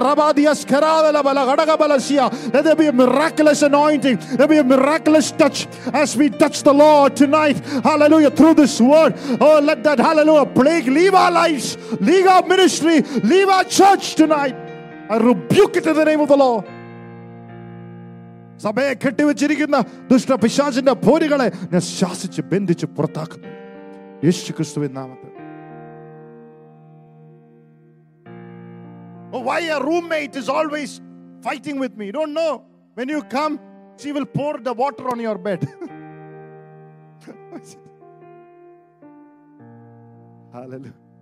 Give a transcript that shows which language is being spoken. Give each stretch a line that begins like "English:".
English: Let there be a miraculous anointing. There be a miraculous touch as we touch the Lord tonight. Hallelujah. Through this word. Oh, let that, hallelujah, plague leave our lives, leave our ministry, leave our church tonight. I rebuke it in the name of the Lord.
Malayalam: സഭയെ കെട്ടിവച്ചിരിക്കുന്ന ദുഷ്ട പിശാചിന്റെ പോരികളെ ഞാൻ ശാസിച്ച് ബന്ധിച്ച് പുറത്താക്കുന്നു യേശു ക്രിസ്തുവിന്റെ നാമത്തിൽ.
English: Oh, why a roommate is always fighting with me? You don't know. When you come, she will pour the water on your bed. Hallelujah.